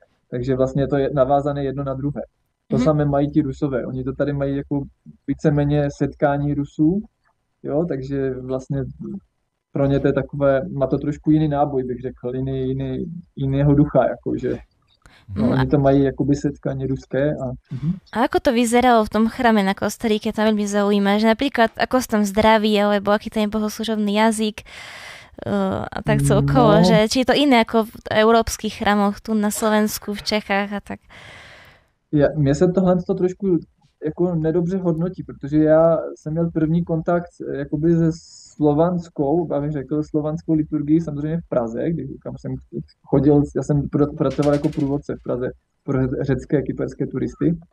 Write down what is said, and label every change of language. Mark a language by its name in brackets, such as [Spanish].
[Czech] Takže vlastně to je navázané jedno na druhé. To samé mají ti Rusové. Oni to tady mají jako víceméně setkání Rusů, jo, takže vlastně pro ně to je takové, má to trošku jiný náboj, bych řekl, jiného ducha, jakože. No, oni to mají jakoby setkání ruské a... [Slovak] A ako to vyzeralo v tom chrame na Kostaríke, to veľmi zaujíma, že napríklad ako sa tam zdraví, alebo aký tam je bohoslužobný jazyk, A tak celkovo, [Czech] No. [Slovak] že či je to iné ako v európskych chrámoch tu na Slovensku, v Čechách a tak. [Czech] Mně se tohle to trošku jako nedobře hodnotí, protože já jsem měl první kontakt jakoby se slovanskou, abych řekl, slovanskou liturgií samozřejmě v Praze, kam jsem chodil, já jsem pracoval jako průvodce v Praze pro řecké, kyperské turisty.